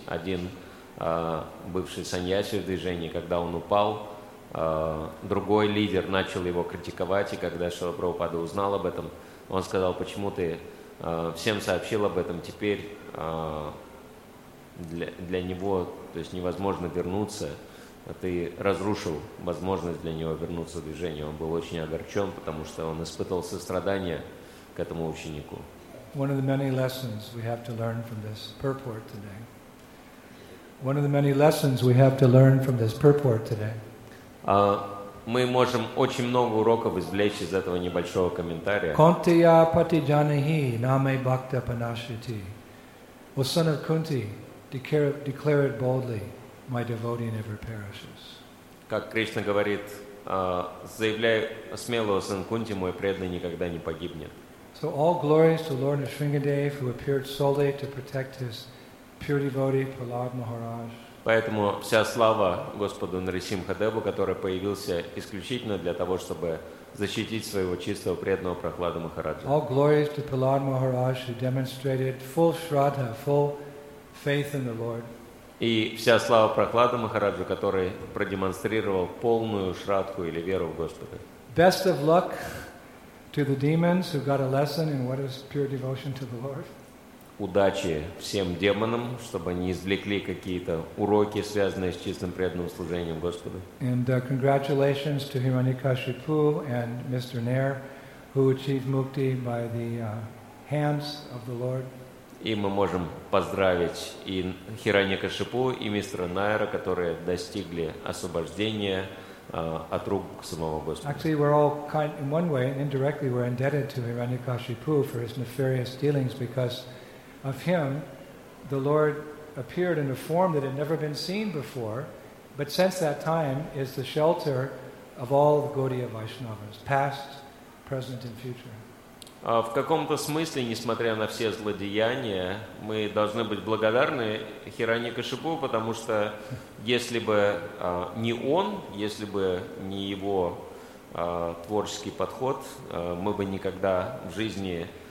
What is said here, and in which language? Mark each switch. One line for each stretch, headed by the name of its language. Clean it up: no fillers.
Russian: Один бывший саньяси в движении, когда он упал, другой лидер начал его критиковать, и когда Шрила Прабхупада узнал об этом, он сказал: «Почему ты всем сообщил об этом? Теперь для него, то есть, невозможно вернуться. Ты разрушил возможность для него вернуться в движение». Он был очень огорчен, потому что он испытывал сострадание к этому ученику.
English: One of the many lessons we have to learn from this purport today. One of the many lessons we have to learn from this purport today.
Russian: Мы можем очень много уроков извлечь из этого небольшого комментария.
Sanskrit: Kuntiya patijanahi name bhakta panashiti.
English: O son of Kunti, declare it boldly. My devotee never perishes.
Russian: Как Кришна говорит, заявляю смело, сын Кунти, мой преданный никогда не погибнет.
English: So all glories to Lord Nrisimhadev, who appeared solely to protect his pure devotee Prahlad Maharaj.
Russian: Поэтому вся слава Господу Нрисимхадеву, который появился исключительно для того, чтобы защитить своего чистого преданного Прахлада Махараджа.
English: All glories to Prahlad Maharaj, who demonstrated full shraddha, full faith in the Lord.
Russian: И вся слава Прахлада Махараджу, который продемонстрировал полную шрадху или веру в Господа.
English: Best of luck to the demons who got a lesson in what is pure devotion to the Lord.
Russian: Удачи всем демонам, чтобы они извлекли какие-то уроки, связанные с чистым преданным служением Господу.
English: And congratulations to Hiranyakashipu and Mr. Nair, who achieved mukti by the hands of the Lord.
Russian: И мы можем поздравить и Хираньякашипу, и мистера Найра, которые достигли освобождения от рук самого Господа.
English: Actually, we're all kind, in one way, indirectly, we're indebted to Hiranyakashipu for his nefarious dealings, because of him, the Lord appeared in a form that had never been seen before, but since that time is the shelter of all the Gaudiya Vaishnavas, past, present, and future.
Russian: В каком-то смысле, несмотря на все злодеяния, мы должны быть благодарны Хираньякашипу, потому что если бы не он, если бы не его творческий подход, мы бы никогда в жизни